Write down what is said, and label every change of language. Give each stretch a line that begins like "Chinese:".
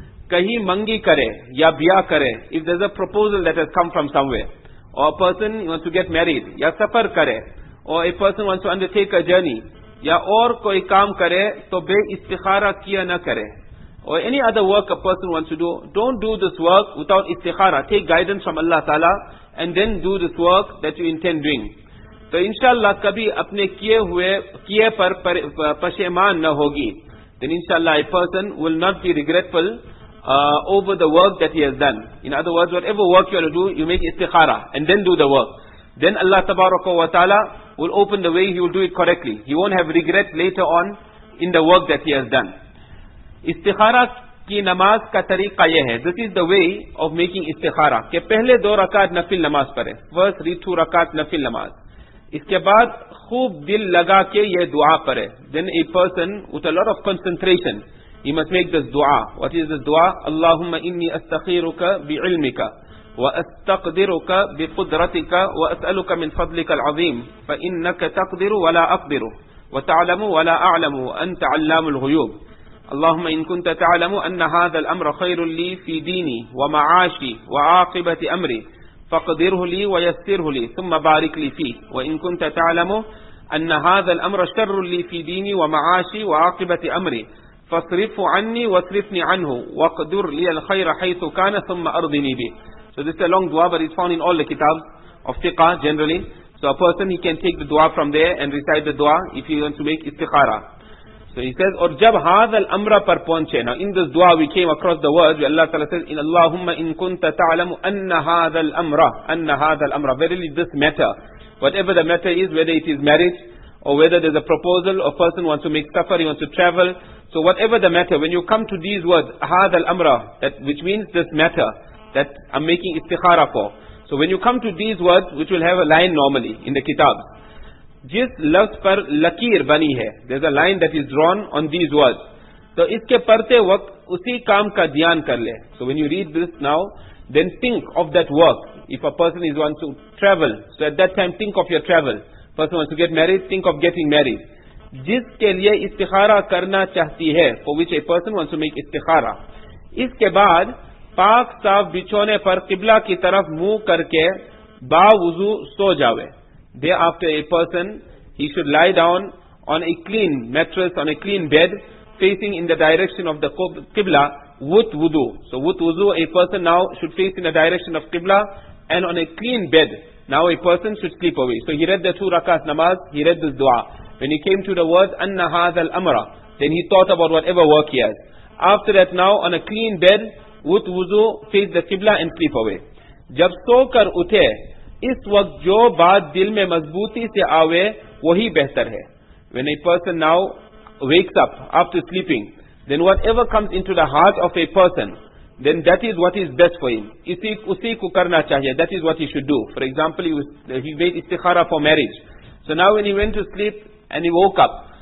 Urdu: Kahi mangi kare, ya biya kare,
English: if there's a proposal that has come from somewhere, or a person wants to get married,
Urdu: ya safar kare,
English: or a person wants to undertake a journey,
Urdu: ya aur koi kaam kare, to be istikhara kiya na kare.
English: Or any other work a person wants to do, don't do this work without istikhara. Take guidance from Allah Ta'ala and then do this work that you intend doing.
Urdu: تو انشاءاللہ کبھی اپنے کیے پر پشیمان نہ ہوگی.
English: Then انشاءاللہ a person will not be regretful over the work that he has done. In other words, whatever work you want to do, you make istikhara and then do the work. Then Allah tabaraka wa ta'ala will open the way, he will do it correctly. He won't have regret later on in the work that he has done.
Urdu: Istikhara ki namaz ka tariqa yeh hai.
English: This is the way of making istikhara.
Urdu: Ke pehle do rakat nafil namaz pare.
English: First read two rakat nafil namaz.
Urdu: اس کے بعد خوب دل لگا کے یہ دعا پڑھے.
English: Then a person with a lot of concentration, he must make this دعا. What is this دعا?
Arabic: اللهم إني أستخيرك بعلمك وأستقدرك بقدرتك وأسألك من فضلك العظيم فإنك تقدر ولا أقدر وتعلم ولا أعلم وأنت علام الغيوب. اللهم إن كنت تعلم أن هذا الأمر خير لي في ديني ومعاشي وعاقبة أمري فقدره لي ويسره لي ثم بارك لي فيه. وإن كنت تعلم أن هذا الأمر شر لي في ديني ومعاشي وعاقبة أمري فاصرفه عني واصرفني عنه واقدر لي الخير حيث كان ثم أرضني به.
English: So this is a long dua, but it's found in all the kitabs of fiqh generally. So a person, he can take the dua from there and recite the dua if he wants to make istikhara. So he says,
Urdu: اور جب هذا الأمر پر پہنچے.
English: Now in this dua we came across the words where Allah Ta'ala says,
Arabic: إن اللهم إن كنت تعلم أن هذا الأمر,
English: أن هذا الأمر, verily this matter, whatever the matter is, whether it is marriage or whether there's a proposal or person wants to make safar, he wants to travel, so whatever the matter, when you come to these words, هذا الأمر, that which means this matter that I'm making istikhara for, so when you come to these words, which will have a line normally in the kitab,
Urdu: جس لفظ پر لکیر بنی ہے,
English: there's a line that is drawn on these words,
Urdu: تو اس کے پڑھتے وقت اسی کام کا دھیان کر لے.
English: So when you read this now, then think of that work. If a person is wants to travel, so at that time think of your travel. Person wants to get married, think of getting married.
Urdu: جس کے لیے استخارہ کرنا چاہتی ہے,
English: for which a person wants to make استخارہ.
Urdu: اس کے بعد پاک صاف بچھونے پر قبلہ کی طرف منہ کر کے با وضو سو جاوے.
English: Thereafter a person, he should lie down on a clean mattress, on a clean bed, facing in the direction of the Qibla with wudu. So with wudu, a person now should face in the direction of Qibla, and on a clean bed, now a person should sleep away. So he read the two rakat namaz, he read this dua. When he came to the words, anna hadhal amra, then he thought about whatever work he has. After that now, on a clean bed, with wudu, face the Qibla and sleep away.
Urdu: Jab so kar uthe, اس وقت جو بات دل میں مضبوطی سے آوے وہی بہتر ہے.
English: When a person now wakes up after sleeping, then whatever comes into the heart of a person, then that is what is best for him. اسی کو کرنا چاہیے. That is what he should do. For example, he made istikhara for marriage. So now when he went to sleep and he woke up,